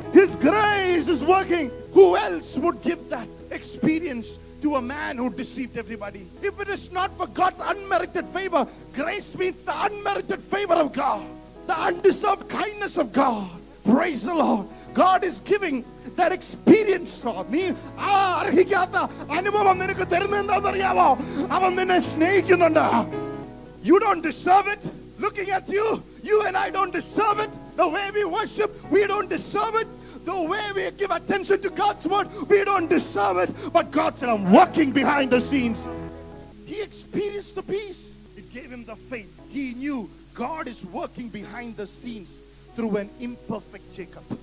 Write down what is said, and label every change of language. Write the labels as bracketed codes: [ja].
[en] His grace is working. Who else would give that experience to a man who deceived everybody? If it is not for God's unmerited favor, grace means the unmerited favor of God, the undeserved kindness of God. Praise the Lord. God is giving that experience. [ml] നീ അർഹിക്കാത്ത അനുഭവം നിനക്ക് തരുന്നതെന്താണെന്ന് അറിയാമോ? അവൻ നിന്നെ സ്നേഹിക്കുന്നുണ്ട്. [en] You don't deserve it. Looking at you, you and I don't deserve it. The way we worship, we don't deserve it. The way we give attention to God's word, we don't deserve it. But God said, I'm working behind the scenes. He experienced the peace. It gave him the faith. He knew God is working behind the scenes through an imperfect Jacob.